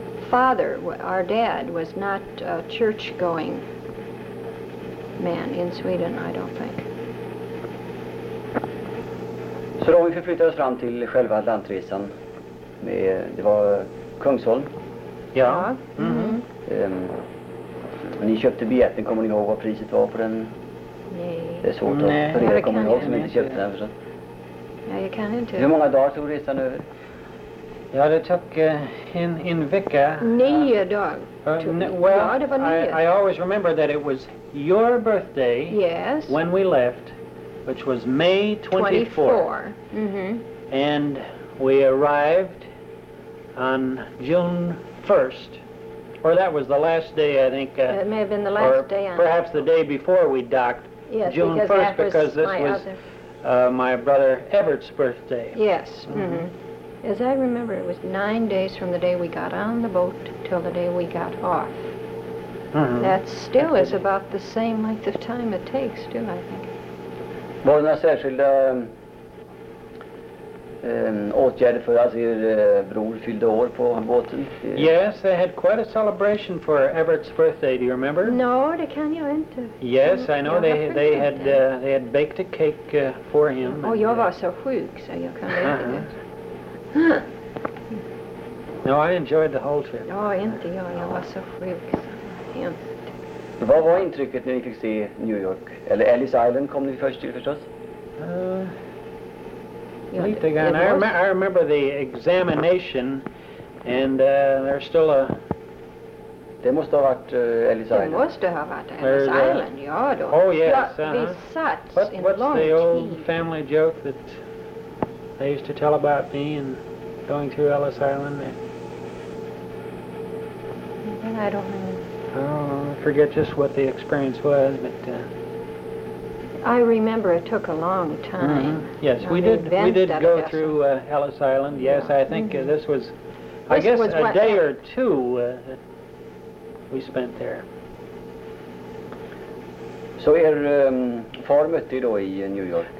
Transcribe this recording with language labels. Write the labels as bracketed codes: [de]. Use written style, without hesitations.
[en] Father, our dad, was not church-going. Man in Sweden, I don't think. [sv] Så då vi förflyttade oss fram till själva lantresan. Med, det var Kungsholm. Ja. Men ni köpte biljetten, kommer ni ihåg vad priset var på den? Nej. Det är svårt nej, att förera, kommer ni ihåg som inte köpte den förstås? Ja, jag kan inte. Hur många dagar tog resan över? Ja, det tog en vecka. Nio dagar. [en] I always remember that it was your birthday. Yes. When we left, which was May 24. Mm-hmm. And we arrived on June 1st. Or that was the last day, I think. It may have been the last day. Or perhaps the day before we docked. Yes, June because 1st, because this my was other... my brother Everett's birthday. Yes. Mm-hmm. Mm-hmm. As I remember, it was 9 days from the day we got on the boat till the day we got off. Mm-hmm. That still is about the same length of time it takes, too, I think. [sv] Var det några särskilda åtgärder för att er bror fyllde år på båten? [en] Yes, they had quite a celebration for Everett's birthday, do you remember? [sv] No, det kan jag inte. [en] Yes, I know they had baked a cake for him. [sv] Oh, jag var så sjuk, så jag kan inte. [en] No, I enjoyed the whole trip. [sv] Oh, inte jag, jag var så sjuk. Vad var intrycket när ni fick se New York? Eller Ellis Island kom ni först till förstås? Lite grann. [en] I remember the examination and there's still a... [sv] Det måste ha varit Ellis Island. Det måste ha varit Ellis Island, ja då. [en] Oh yes. [sv] Vi satt in [en] what's the old family joke that they used to tell about me and going through Ellis Island? I don't know. I forget just what the experience was, but I remember it took a long time. Mm-hmm. Yes, we did go through Ellis Island. Yes, yeah. I think mm-hmm. this was a day or two we spent there. [sv] So er far mötte då i New York?